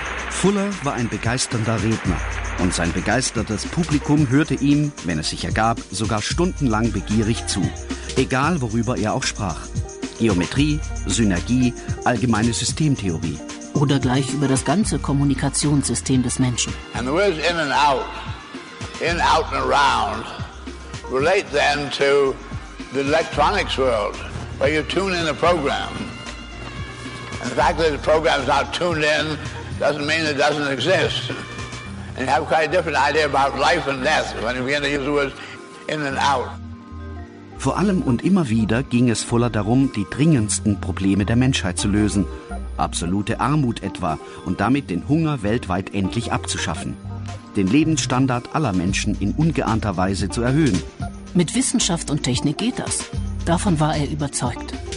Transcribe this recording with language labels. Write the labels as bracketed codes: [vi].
[de] Fuller war ein begeisternder Redner und sein begeistertes Publikum hörte ihm, wenn es sich ergab, sogar stundenlang begierig zu. Egal, worüber er auch sprach. Geometrie, Synergie, allgemeine Systemtheorie. Oder gleich über das ganze Kommunikationssystem des Menschen. [en] And the words in and out and around, relate then to the electronics world, where you tune in a program. And the fact that the program's not tuned in doesn't mean it doesn't exist. And you have quite a different idea about life and death when you begin to use the words in and out. [de] Vor allem und immer wieder ging es Fuller darum, die dringendsten Probleme der Menschheit zu lösen. Absolute Armut etwa und damit den Hunger weltweit endlich abzuschaffen. Den Lebensstandard aller Menschen in ungeahnter Weise zu erhöhen. Mit Wissenschaft und Technik geht das. Davon war er überzeugt.